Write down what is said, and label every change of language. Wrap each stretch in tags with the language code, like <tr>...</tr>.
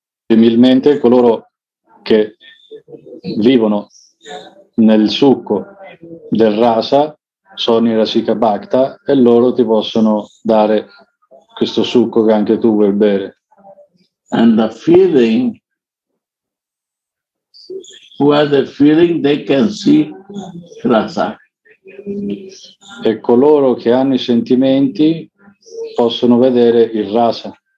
<it>Similmente coloro che vivono nel succo del Rasa sono i Rasika Bhakta e loro ti possono dare questo succo che anche tu vuoi bere.</it> <en>And the feeling, who has a feeling, they can see Rasa.</en> <it>E coloro che hanno i sentimenti possono vedere il Rasa.</it>